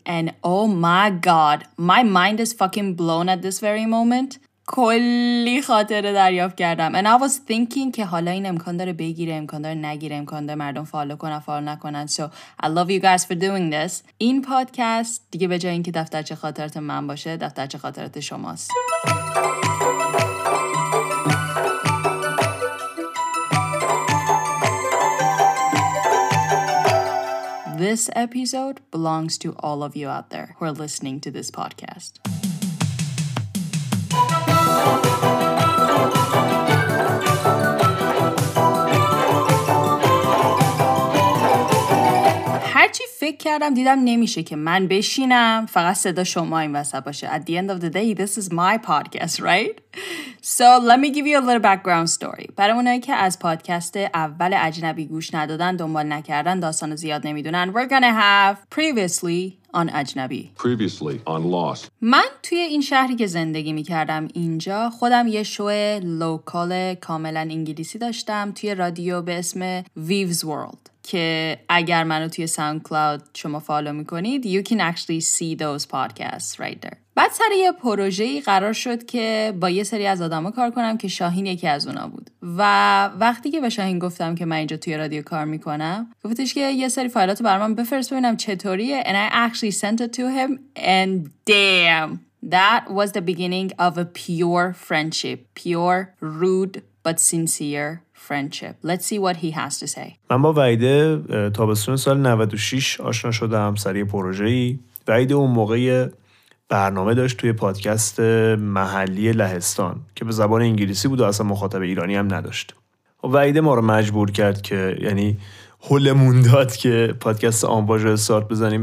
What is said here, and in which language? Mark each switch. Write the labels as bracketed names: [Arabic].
[English] And oh my god, my mind is fucking blown at this very moment. [Persian] کلی خاطره دریافت کردم. [English] And I was thinking [Persian] که حالا این امکان داره بگیره، امکان داره نگیره، امکان داره مردم فالو کنن، فالو نکنن. [English] So I love you guys for doing this. [Persian] این پادکست دیگه به جای اینکه دفترچه خاطرات من باشه، دفترچه خاطرات شماست. [English] This episode belongs to all of you out there who are listening to this podcast. [Persian] هرچی فکر کردم دیدم نمیشه که من بشینم فقط صدا شما این وسط باشه. [English] At the end of the day, this is my podcast, right? So let me give you a little background story. [Persian] برای اونایی که از پادکست اول اجنبی گوش ندادن، دنبال نکردن، داستان رو زیاد نمیدونن، [English] we're gonna have previously on [Persian] اجنبی. [English] Previously on Lost. [Persian] من توی این شهری که زندگی میکردم اینجا، خودم یه شو لوکال کاملا انگلیسی داشتم توی رادیو به اسم Viv's World. که اگر منو توی ساوند کلاود شما فالو میکنید، [English] you can actually see those podcasts right there. [Persian] بعد سر یه پروژه‌ای قرار شد که با یه سری از آدم‌ها کار کنم که شاهین یکی از اونا بود. و وقتی که به شاهین گفتم که من اینجا توی رادیو کار میکنم، گفتش که یه سری فایلاتو برام بفرست ببینم چطوریه. [English] And I actually sent it to him and damn, that was the beginning of a pure friendship. Pure, rude, but sincere. Friendship. Let's see what he has to say. [Persian] من با وحیده تابستون سال 96 آشنا شدم سر یه پروژه‌ای. وحیده اون موقع برنامه داشت توی پادکست محلی لهستان که به زبان انگلیسی بود و اصلا مخاطب ایرانی هم نداشت. وحیده ما رو مجبور کرد که یعنی هلمون داد که پادکست آمواج رو استارت بزنیم.